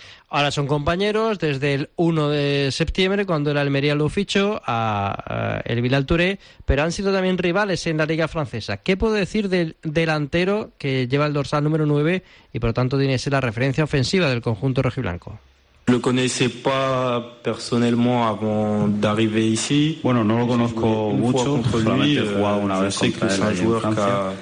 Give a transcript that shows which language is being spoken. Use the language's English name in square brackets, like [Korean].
[Spanish] Ahora son compañeros desde el 1 de septiembre, cuando el Almería lo fichó el Vidal Touré, pero han sido también rivales en la Liga Francesa. ¿Qué puedo decir del delantero que lleva el dorsal número 9 y por lo tanto tiene que ser la referencia ofensiva del conjunto rojiblanco? Lo conocía [French] pas personnellement avant d'arriver ici. [Spanish] Bueno, no lo conozco mucho, solamente he jugado una vez contra él en Francia.